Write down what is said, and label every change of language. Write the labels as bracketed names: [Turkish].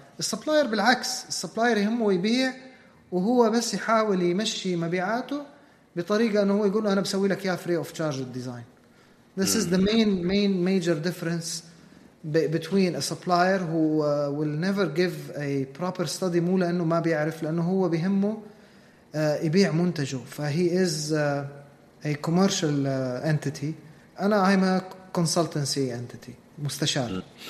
[Arabic] السبلاير بالعكس، السبلاير يهمه يبيع، وهو بس يحاول يمشي مبيعاته بطريقة أنه هو يقول أنا بسوي لك يا [English] free of charge design. This is the main major difference between a supplier who will never give a proper study. [Arabic] مو لأنه ما بيعرف، لأنه هو بهمه يبيع منتجه. [English] فهي is a commercial entity. أنا I'm a consultancy entity، مستشار.